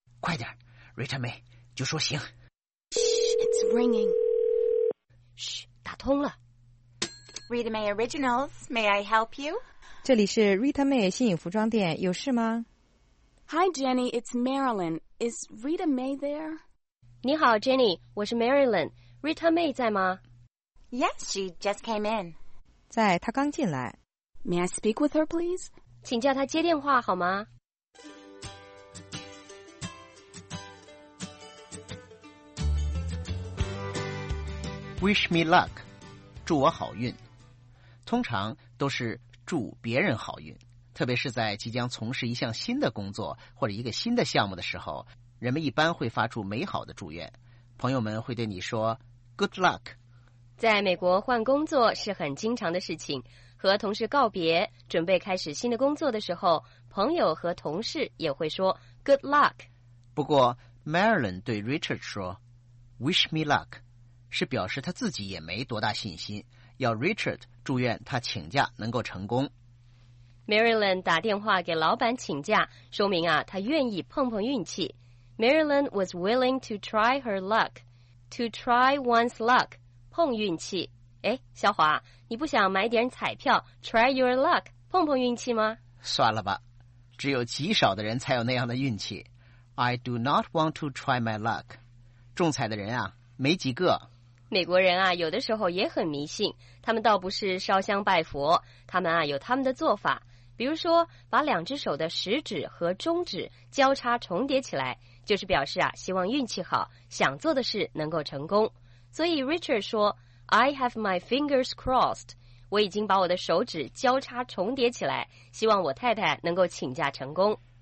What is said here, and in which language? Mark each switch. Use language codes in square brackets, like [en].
[zh] 快点 ，Rita May， 就说行。 [en] Shh, it's ringing. [zh] 嘘，打通了。 [en] Rita May Originals, may I help you? [zh] 这里是 Rita May 新颖服装店，有事吗 [en] ？Hi Jenny, it's Marilyn. Is Rita May there? [zh] 你好 ，Jenny， 我是 Marilyn。 Rita May 在吗 [en] ？Yes, she just came in. [zh] 在，她刚进来。 [en] May I speak with her, please? [zh] 请叫她接电话好吗 [en] ？Wish me luck， [zh] 祝我好运。通常都是。祝别人好运，特别是在即将从事一项新的工作或者一个新的项目的时候，人们一般会发出美好的祝愿。朋友们会对你说 good luck。在美国换工作是很经常的事情，和同事告别准备开始新的工作的时候，朋友和同事也会说 good luck。不过 Marilyn 对 Richard 说 [en] wish me luck [zh] 是表示他自己也没多大信心，要 Richard 祝愿他请假能够成功。 Marilyn 打电话给老板请假，说明啊他愿意碰碰运气。 [en] Marilyn was willing to try her luck. To try one's luck， [zh] 碰运气。哎，小华，你不想买点彩票 [en] try your luck， [zh] 碰碰运气吗？算了吧，只有极少的人才有那样的运气。 [en] I do not want to try my luck， [zh] 中彩的人啊没几个。美国人啊有的时候也很迷信，他们倒不是烧香拜佛，他们啊有他们的做法，比如说把两只手的食指和中指交叉重叠起来，就是表示啊希望运气好，想做的事能够成功。所以 Richard 说 [en] I have my fingers crossed， [zh] 我已经把我的手指交叉重叠起来，希望我太太能够请假成功。